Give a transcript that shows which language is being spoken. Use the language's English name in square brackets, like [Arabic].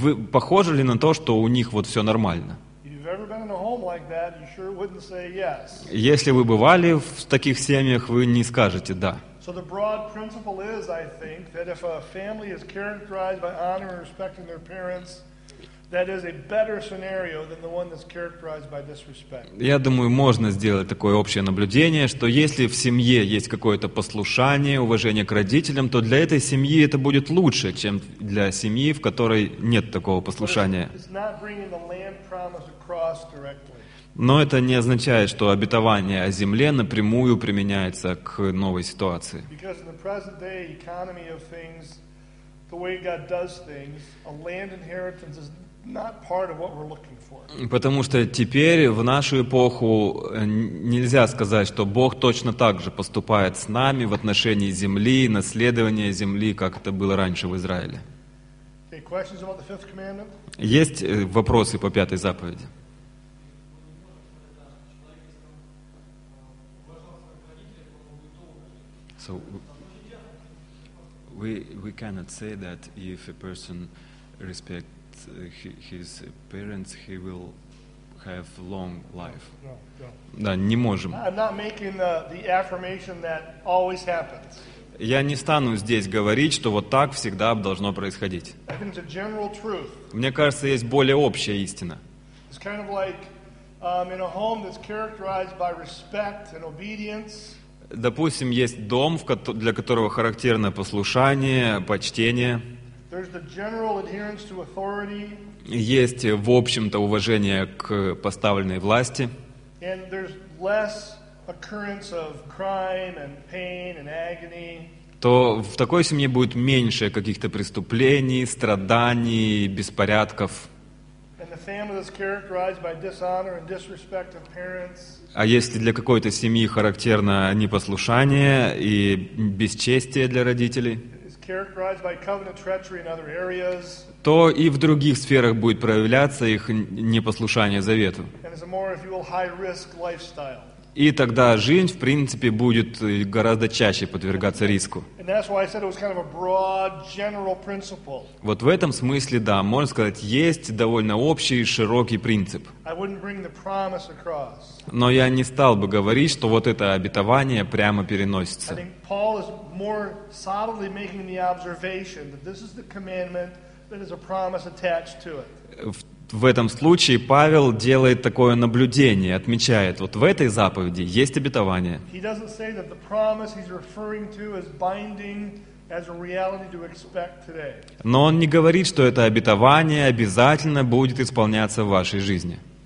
[Russian] Похоже ли на то, что у них вот все нормально? Если вы бывали в таких семьях, вы не скажете «да». [English] So the broad principle is, I think, that if a family is characterized by honoring and respecting their parents, that is a better scenario than the one that's characterized by disrespect. [Russian] Я думаю, можно сделать такое общее наблюдение, что если в семье есть какое-то послушание, уважение к родителям, то для этой семьи это будет лучше, чем для семьи, в которой нет такого послушания. [English] It's not bringing the land promise across directly. [Russian] Но это не означает, что обетование о земле напрямую применяется к новой ситуации. [English] Because in the present day economy of things, the way God does things, a land inheritance is not part of what we're looking for. [Russian] Потому что теперь в нашу эпоху нельзя сказать, что Бог точно так же поступает с нами в отношении земли, наследования земли, как это было раньше в Израиле. [English] Okay, questions about the fifth commandment? [Russian] Есть вопросы по пятой заповеди? [English] So we cannot say that if a person respects his parents, he will have long life. No. [Russian] Да, не можем. [English] I'm not making the affirmation that always happens. [Russian] Я не стану здесь говорить, что вот так всегда должно происходить. [English] I think it's a general truth. [Russian] Мне кажется, есть более общая истина. [English] It's kind of like in a home that's characterized by respect and obedience. [Russian] Допустим, есть дом, для которого характерно послушание, почтение. [English] There's the general adherence to authority. [Russian] Есть, в общем-то, уважение к поставленной власти. [English] And there's less occurrence of crime and pain and agony. [Russian] То в такой семье будет меньше каких-то преступлений, страданий, беспорядков. [English] And the family that's characterized by dishonor and disrespect of parents. [Russian] А если для какой-то семьи характерно непослушание и бесчестие для родителей, [English] characterized by covenant treachery in other areas, [Russian] то и в других сферах будет проявляться их непослушание завету. [English] And it's a more, if you will, high-risk lifestyle. [Russian] И тогда жизнь, в принципе, будет гораздо чаще подвергаться риску. [English] And that's why I said it was kind of a broad, general principle. [Russian] Вот в этом смысле, да, можно сказать, есть довольно общий и широкий принцип. [English] I wouldn't bring the promise across. [Russian] Но я не стал бы говорить, что вот это обетование прямо переносится. [English] I think Paul is more solidly making the observation that this is the commandment that is a promise attached to it. [Russian] В этом случае Павел делает такое наблюдение, отмечает, вот в этой заповеди есть обетование. [English] He doesn't say that the promise he's referring to is binding as a reality to expect today. [Russian] Но он не говорит, что это обетование обязательно будет исполняться в вашей жизни.